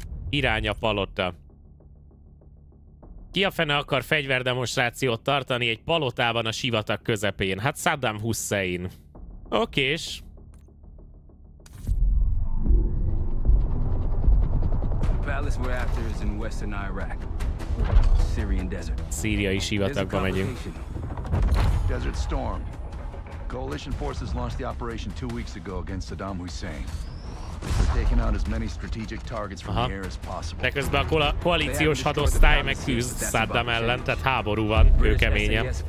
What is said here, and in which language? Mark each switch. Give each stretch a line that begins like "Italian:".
Hungarian: Irány a palota. Ki a fene akar fegyverdemonstrációt tartani egy palotában a sivatag közepén? Hát Saddam Hussein. Okés.
English: Palace we're after is in western Iraq. Syrian desert.
Hungarian: Syria is sivatagba megyünk.
English: Desert storm. Coalition forces launched the operation 2 weeks ago against Saddam Hussein. They're taking out as many strategic targets from the air as possible.
Hungarian: De közben a koalíciós hadosztály megküzd Saddam ellen, tehát háború van, kőkeményen.